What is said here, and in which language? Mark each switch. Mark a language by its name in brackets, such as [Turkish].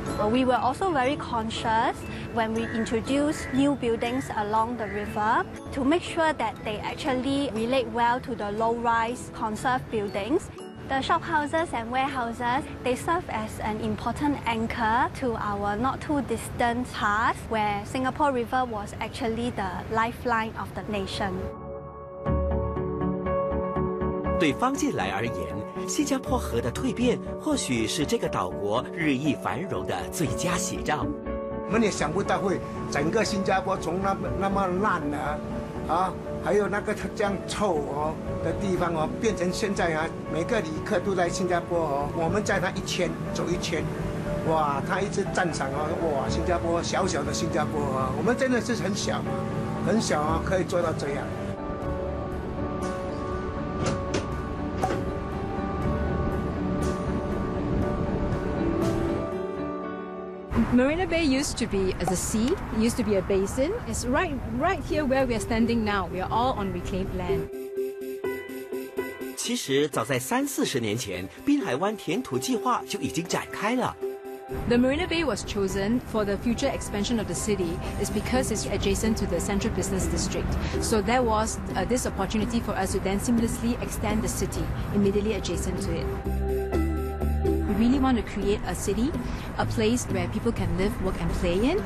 [English] We were also very conscious when we introduced new buildings along the river to make sure that they actually relate well to the low-rise conserved buildings. The shophouses and warehouses, they serve as an important anchor to our not too distant past, where Singapore River was actually the lifeline of the nation. [Chinese] 对方进来而言，新加坡河的蜕变或许是这个岛国日益繁荣的最佳写照。我们也想不到会整个新加坡从那么烂呢、啊，还有那个这样臭哦的地方哦，变成现在啊，每个旅客都来新加坡哦，我们载他一圈走一圈，哇，他一直赞赏哦，哇，新加坡小小的新加坡啊，我们真的是很小嘛，很小啊，可以做到这样。 [English] Marina Bay used to be as a sea, used to be a basin. It's right here where we are standing now. We are all on reclaimed land. [Chinese] 其实早在三四十年前，滨海湾填土计划就已经展开了。 [English] The Marina Bay was chosen for the future expansion of the city is because it's adjacent to the central business district. So there was this opportunity for us to then seamlessly extend the city immediately adjacent to it. We really want to create a city, a place where people can live, work and play in.